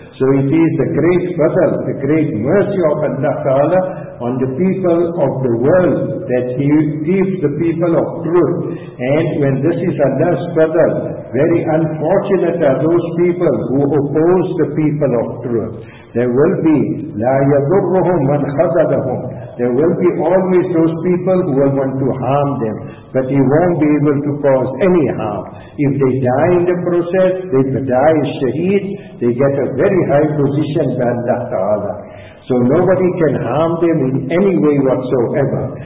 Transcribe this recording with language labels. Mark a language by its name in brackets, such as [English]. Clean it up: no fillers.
[English] So it is the great fadl, the great mercy of Allah Ta'ala on the people of the world that He keeps the people of truth. And when this is Allah's fadl, very unfortunate are those people who oppose the people of truth. There will be [Arabic] لا يضرهم من خذلهم. [English] There will be always those people who will want to harm them, but he won't be able to cause any harm. If they die in the process, they die as shaheed, they get a very high position by Allah Ta'ala. So nobody can harm them in any way whatsoever.